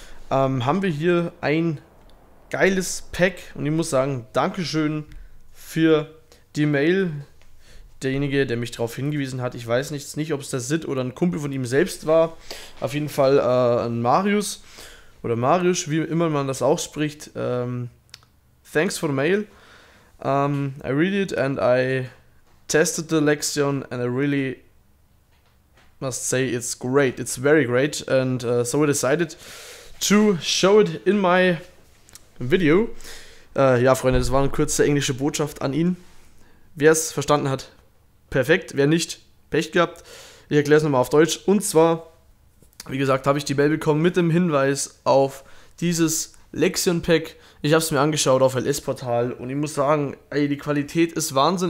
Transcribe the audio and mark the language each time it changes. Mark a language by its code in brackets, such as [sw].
[de] Haben wir hier ein geiles Pack und ich muss sagen, Dankeschön für die Mail. Derjenige, der mich darauf hingewiesen hat, ich weiß nichts, nicht, ob es der Sid oder ein Kumpel von ihm selbst war. Auf jeden Fall ein Marius oder Marius, wie immer man das auch spricht. [en] Thanks for the mail. I read it and I tested the Lexion and I really must say it's great. It's very great and so I decided to show it in my video. [de] Ja, Freunde, das war eine kurze englische Botschaft an ihn. Wer es verstanden hat, perfekt, wer nicht, Pech gehabt. Ich erkläre es nochmal auf Deutsch. Und zwar, wie gesagt, habe ich die Mail bekommen mit dem Hinweis auf dieses Lexion Pack. Ich habe es mir angeschaut auf LS-Portal und ich muss sagen, ey, die Qualität ist Wahnsinn.